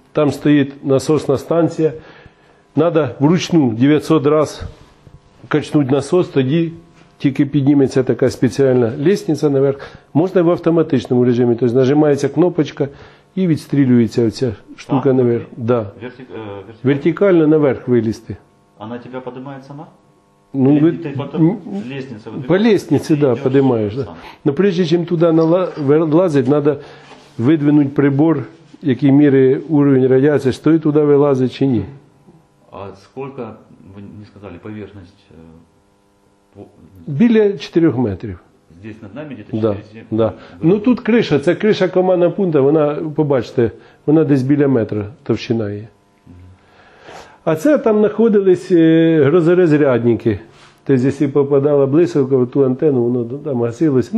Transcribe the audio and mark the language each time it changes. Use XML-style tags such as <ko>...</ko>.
<uk>Там стоїть насосна станція. Треба вручну 900 раз качнути насос, тоді тільки підніметься така спеціальна лестниця наверх. Можна в автоматичному режимі, тобто нажимається кнопочка і відстрілюється оця штука наверх. Да. Вертикально наверх вилізти.</uk> <ru>Она тебя поднимает сама? Ну, или ты потом лестница выдвигаешь? По лестнице, да, поднимаешь. Да. Но прежде чем туда влазить, надо выдвинуть прибор,</ru> <uk>який мірить</uk> <ru>уровень радиации, стоит туда вылазить</ru> <uk>чи ні.</uk> <ru>А сколько, вы не сказали, поверхность?</ru> <uk>Біля 4 метрів.</uk> <ru>Здесь над нами где-то 4? Да.</ru> <uk>Ну тут криша, це криша командного пункту, вона, побачите, вона десь біля метра товщина є. А це там знаходились грозорозрядники. Тобто, якщо попадала блискавка в ту антенну, воно там гасилося.</uk>